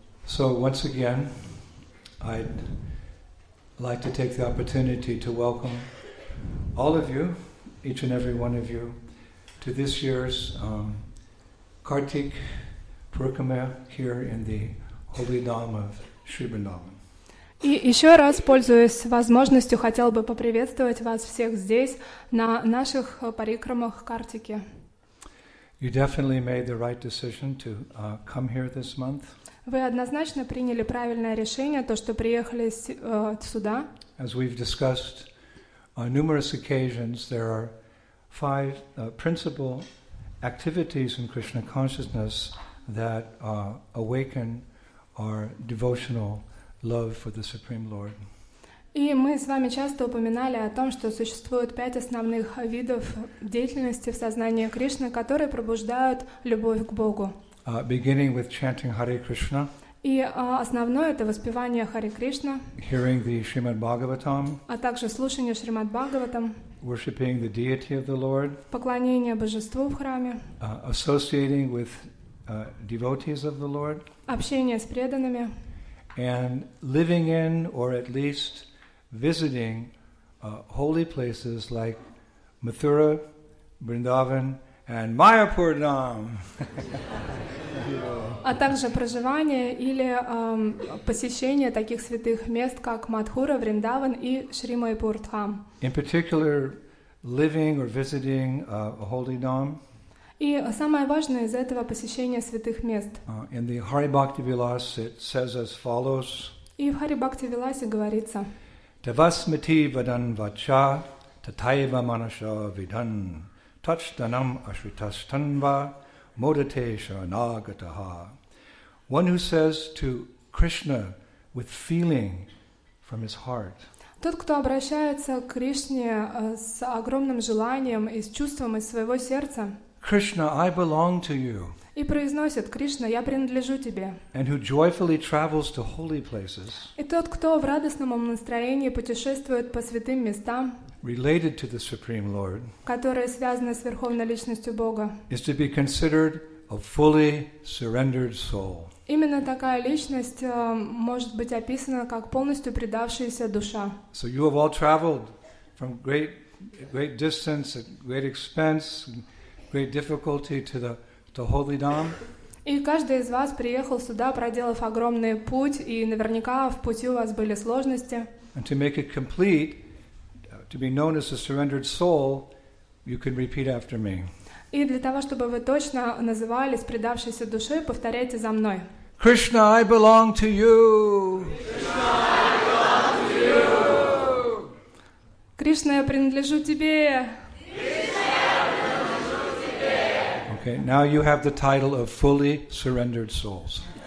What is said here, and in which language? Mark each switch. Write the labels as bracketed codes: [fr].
[en] So once again, I'd like to take the opportunity to welcome all of you, each and every one of you, to this year's Kartik Purkhama here in the Holy Dhamma of Sri Vrindavan. [ru] И еще раз, пользуясь возможностью, хотел бы поприветствовать вас всех здесь, на наших парикрамах Картики. [en] You definitely made the right decision to come here this month. [ru] Вы однозначно приняли правильное решение, то, что приехали сюда. [en] As we've discussed on numerous occasions, there are five principal activities in Krishna consciousness that awaken our devotional love for the Supreme Lord. [ru] И мы с вами часто упоминали о том, что существует пять основных видов деятельности в сознании Кришны, которые пробуждают любовь к Богу. [en] Beginning with chanting Hare Krishna. [ru] И основное это воспевание Харе Кришна. [en] Hearing the Shrimad Bhagavatam. [ru] А также слушание Шримад Бхагаватам. [en] Worshipping the deity of the Lord. [ru] Поклонение божеству в храме. [en] Associating with devotees of the Lord. [ru] Общение с преданными. [en] And living in, or at least visiting, holy places like Mathura, Vrindavan, and Mayapur Dham. [ru] А также проживание или посещение таких святых мест, как Мадхура, Вриндаван и Шри Майпур Дхам. [en] In particular, living or visiting a holy Dham. [ru] И самое важное из этого посещение святых мест. [en] In the Hari Bhakti Vilas it says as follows. [ru] И в Hari Bhakti Vilasе говорится. [sa] Tavasmati vadan vacha tataiva manasa vidan tachdanam ashritastanva modatesha nagataha. [en] One who says to Krishna with feeling from his heart. [ru] Тот, кто обращается к Кришне с огромным желанием и с чувством из своего сердца. [en] Krishna, I belong to you. [ru] И произносит: Кришна, я принадлежу тебе. [en] And who joyfully travels to holy places. [ru] И тот, кто в радостном настроении путешествует по святым местам. [en] Related to the Supreme Lord. [ru] Которые связаны с верховной личностью Бога. [en] Is to be considered a fully surrendered soul. [ru] Именно такая личность может быть описана как полностью предавшаяся душа. [en] So you have all traveled from great distance at great expense. Great difficulty to Holy Dham. [ru] И каждый из вас приехал сюда, проделав огромный путь, и наверняка в пути у вас были сложности. [en] And to make it complete, to be known as a surrendered soul, you can repeat after me. [ru] И для того, чтобы вы точно назывались предавшейся душой, повторяйте за мной. [en] Krishna, I belong to you. Krishna, I belong to you. [ru] Кришна, я принадлежу тебе. [en] Okay, now you have the title of fully surrendered souls.